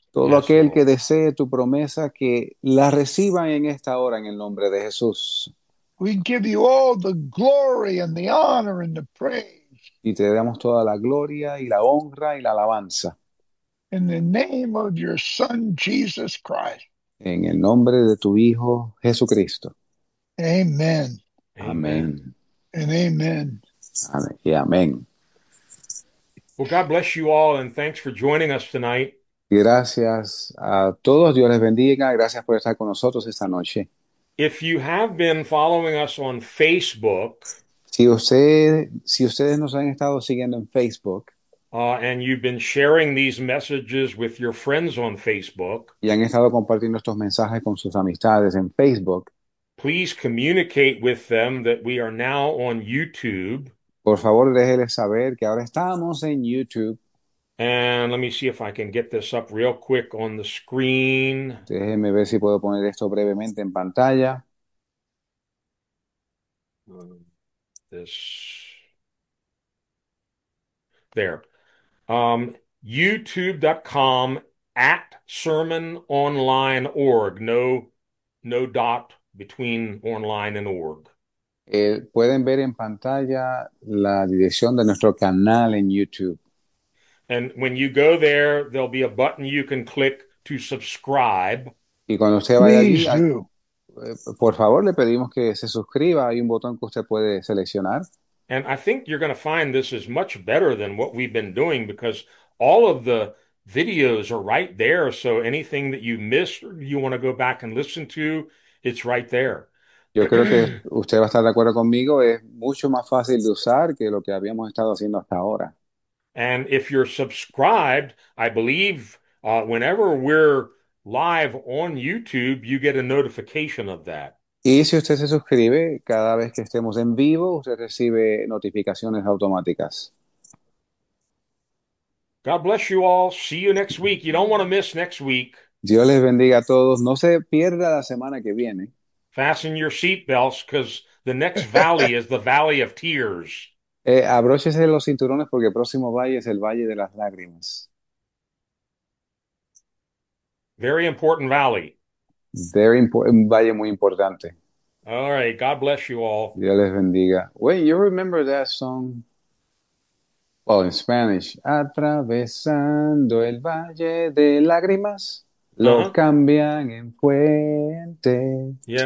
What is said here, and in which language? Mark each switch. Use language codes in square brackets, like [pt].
[es] Todo [en] Yes, [es] aquel que [en] Lord. [es] desee tu promesa, que la reciba en esta hora en el nombre de Jesús. [en] We give you all the glory and the honor and the praise. [es] Y te damos toda la gloria y la honra y la alabanza. [en] In the name of your son, Jesus Christ. [es] En el nombre de tu Hijo Jesucristo. [en] Amen. [es] Amén. [en] Amen. And amen. [es] Amén y amén. [en] Well, God bless you all and thanks for joining us tonight. [es] Gracias a todos, Dios les bendiga, gracias por estar con nosotros esta noche. [en] If you have been following us on Facebook, [es] Si ustedes nos han estado siguiendo en Facebook [en] And you've been sharing these messages with your friends on Facebook, [es] y han estado compartiendo estos mensajes con sus amistades en Facebook, [en] please communicate with them that we are now on YouTube. [es] por favor, déjeles saber que ahora estamos en YouTube. [en] And let me see if I can get this up real quick on the screen. [es] Déjenme ver si puedo poner esto brevemente en pantalla. [en] This. There. YouTube.com at sermononline.org. No dot between online and org. [es] Pueden ver en pantalla la dirección de nuestro canal en YouTube. [en] And when you go there'll be a button you can click to subscribe. [es] Y cuando usted vaya allí, [en] Please do. [es] por favor, le pedimos que se suscriba. Hay un botón que usted puede seleccionar. [en] And I think you're going to find this is much better than what we've been doing because all of the videos are right there. So anything that you miss or you want to go back and listen to, it's right there. [es] Yo creo que usted va a estar de acuerdo conmigo, es mucho más fácil de usar que lo que habíamos estado haciendo hasta ahora. [en] And if you're subscribed, I believe whenever we're live on YouTube, you get a notification of that. [es] Y si usted se suscribe, cada vez que estemos en vivo, usted recibe notificaciones automáticas. [en] God bless you all. See you next week. You don't want to miss next week. [es] Dios les bendiga a todos. No se pierda la semana que viene. [en] Fasten your seat belts because the next valley is the valley of tears. [es] Abróchese los cinturones porque el próximo valle es el valle de las lágrimas. [en] Very important valley. [es] Un valle muy importante. [en] All right. God bless you all. [es] Dios les bendiga. [en] Wait, you remember that song? Well, in Spanish. [es] Atravesando el valle de lágrimas, lo cambian en puente.